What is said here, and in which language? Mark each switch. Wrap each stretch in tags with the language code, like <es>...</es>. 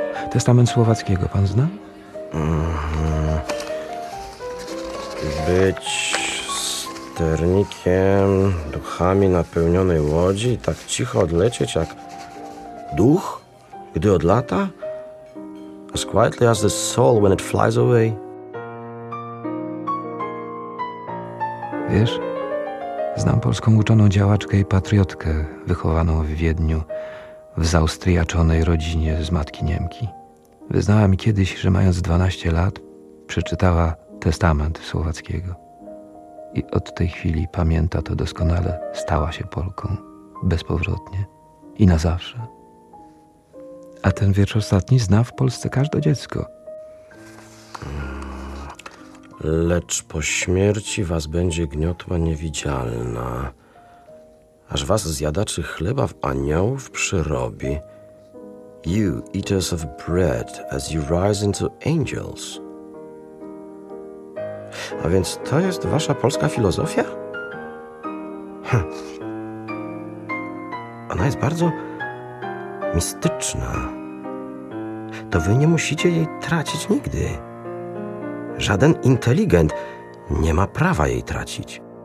<pl>Testament Słowackiego pan zna? Być sternikiem duchami napełnionej łodzi, tak cicho odlecieć jak duch, gdy odlata?</pl> <en>As quietly as the soul when it flies away.</en> <pl>Wiesz, znam polską uczoną działaczkę i patriotkę wychowaną w Wiedniu w zaustriaczonej rodzinie z matki Niemki. Wyznała mi kiedyś, że mając 12 lat, przeczytała testament Słowackiego. I od tej chwili pamięta to doskonale. Stała się Polką. Bezpowrotnie. I na zawsze. A ten wiersz ostatni zna w Polsce każde dziecko. Lecz po śmierci was będzie gniotła niewidzialna, aż was zjadaczy chleba w aniołów przyrobi.</pl> <en>You, eaters of bread, as you rise into angels.</en> <pl>A więc to jest wasza polska filozofia? Ona jest bardzo mistyczna. To wy nie musicie jej tracić nigdy. Żaden inteligent nie ma prawa jej tracić.</pl>